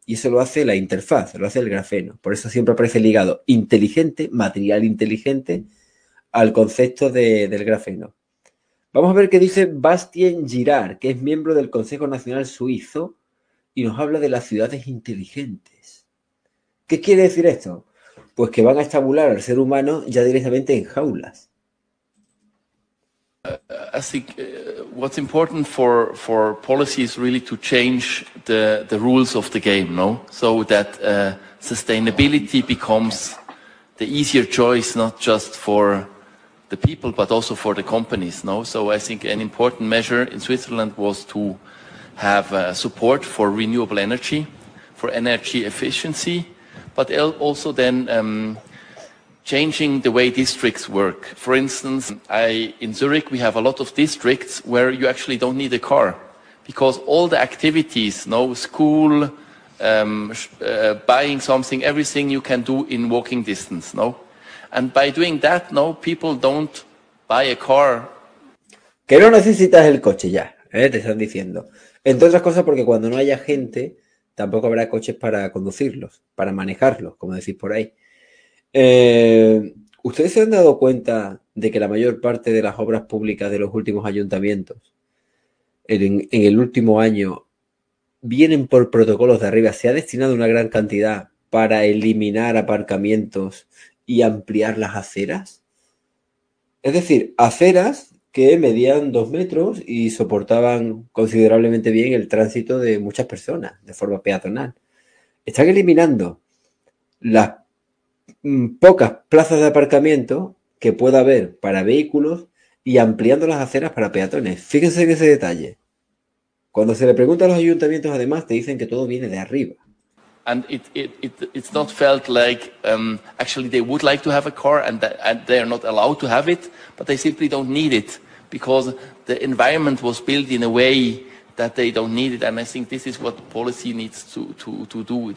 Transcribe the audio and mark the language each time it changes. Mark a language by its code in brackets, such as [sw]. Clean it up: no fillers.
[es] Y eso lo hace la interfaz, lo hace el grafeno. Por eso siempre aparece ligado inteligente, material inteligente, al concepto del grafeno. Vamos a ver qué dice Bastien Girard, que es miembro del Consejo Nacional Suizo, y nos habla de las ciudades inteligentes. ¿Qué quiere decir esto? Pues que van a estabular al ser humano ya directamente en jaulas. [en] I think what's important for policy is really to change the rules of the game, no? So that sustainability becomes the easier choice, not just for the people, but also for the companies, no? So I think an important measure in Switzerland was to have support for renewable energy, for energy efficiency, but also then changing the way districts work. For instance, in Zurich, we have a lot of districts where you actually don't need a car because all the activities, no school, buying something, everything you can do in walking distance, no? And by doing that, no, people don't buy a car. [es] Que no necesitas el coche ya, te están diciendo. Entre otras cosas porque cuando no haya gente, tampoco habrá coches para conducirlos, para manejarlos, como decís por ahí. ¿Ustedes se han dado cuenta de que la mayor parte de las obras públicas de los últimos ayuntamientos en el último año vienen por protocolos de arriba? Se ha destinado una gran cantidad para eliminar aparcamientos y ampliar las aceras. Es decir, aceras que medían 2 metros y soportaban considerablemente bien el tránsito de muchas personas de forma peatonal. Están eliminando las pocas plazas de aparcamiento que pueda haber para vehículos y ampliando las aceras para peatones. Fíjense en ese detalle. Cuando se le pregunta a los ayuntamientos, además, te dicen que todo viene de arriba. [en] And it's not felt like actually they would like to have a car and that, and they are not allowed to have it, but they simply don't need it because the environment was built in a way that they don't need it. And I think this is what policy needs to do.